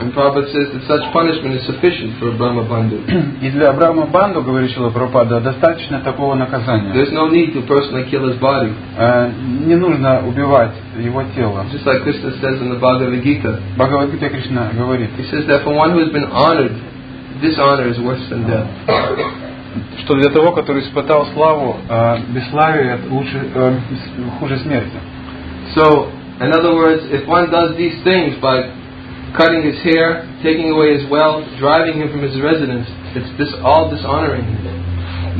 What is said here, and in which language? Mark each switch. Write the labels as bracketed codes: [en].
[en] And Prabhupada says that such punishment is sufficient for a Brahma Bandhu. [ru] И для Брахма Банду, говорит Шрила Прабхупада, достаточно такого наказания. [en] There's no need to personally kill his body. [ru] Не нужно убивать его тело. [en] Just like Krishna says in the Bhagavad Gita. [ru] Bhagавад Гита Кришна говорит. [en] He says that for one who has been honored, this honor is worse than death. [ru] Что для того, который испытал славу, бесславие лучше, хуже смерти. [en] So, in other words, if one does these things by cutting his hair, taking away his wealth, driving him from his residence, it's this all dishonoring him.